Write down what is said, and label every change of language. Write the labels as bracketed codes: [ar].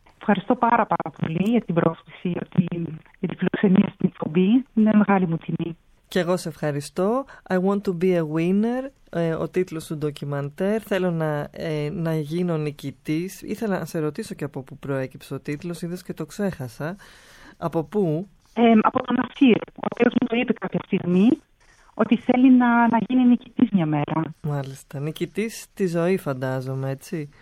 [el] Ευχαριστώ πάρα πολύ για την πρόσκληση, για τη φιλοξενία στην εκπομπή. Είναι μεγάλη μου τιμή. Και εγώ σε ευχαριστώ. [en] I want to be a winner, [el] ο τίτλος του ντοκιμαντέρ. Θέλω να γίνω νικητής. Ήθελα να σε ρωτήσω και από πού προέκυψε ο τίτλος, είδες και το ξέχασα. Από πού? Από τον Ασύρ, ο οποίος μου το είπε κάποια στιγμή. Ότι θέλει να γίνει νικητής μια μέρα. Μάλιστα. Νικητής στη ζωή, φαντάζομαι, έτσι.